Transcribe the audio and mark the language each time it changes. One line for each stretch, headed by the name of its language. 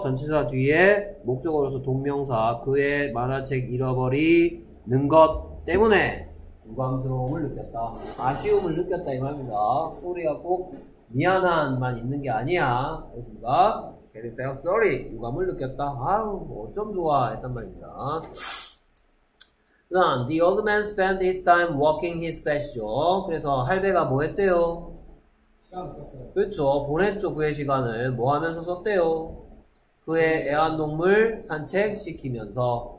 Korean: 전치사 뒤에 목적어로서 동명사 그의 만화책 잃어버리는 것 때문에 유감스러움을 느꼈다. 아쉬움을 느꼈다 이 말입니다. 소리가 꼭 미안한만 있는 게 아니야. 그렇습니까?
English: Kevin felt sorry.
Korean: 유감을 느꼈다. 아우 어쩜 좋아 했단 말입니다. 그다음
English: The old man spent his time walking his patch죠.
Korean: 그래서 할배가 뭐 했대요? 그렇죠. 보냈죠. 그의 시간을 뭐 하면서 썼대요? 그의 애완동물 산책시키면서.